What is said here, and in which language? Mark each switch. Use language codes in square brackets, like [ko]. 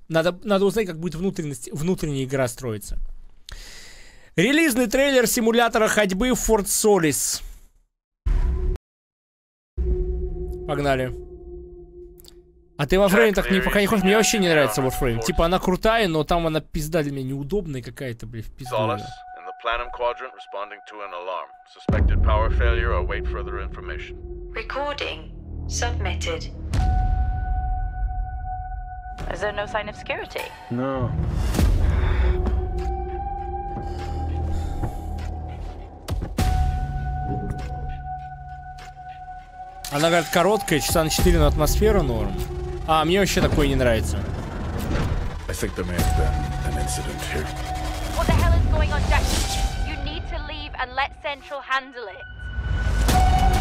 [ru] Надо узнать, как будет внутренняя игра строиться. Релизный трейлер симулятора ходьбы в Fort Solis. Погнали. А ты Warframe так не, пока не хочешь? Мне вообще не нравится Warframe. Типа она крутая, но там она пизда для меня неудобная какая-то, блин, пизда. [en] Solis, in the Planum Quadrant, responding to an alarm. Suspected power failure, await further information. Recording. Submitted. Is there no sign of security? No. [ru] Она, говорит, короткая, часа на 4, но атмосфера норм. А, мне вообще такое не нравится. [en] I think there may have been an incident here. What the hell is going on, Jackie? You need to leave and let Central handle it.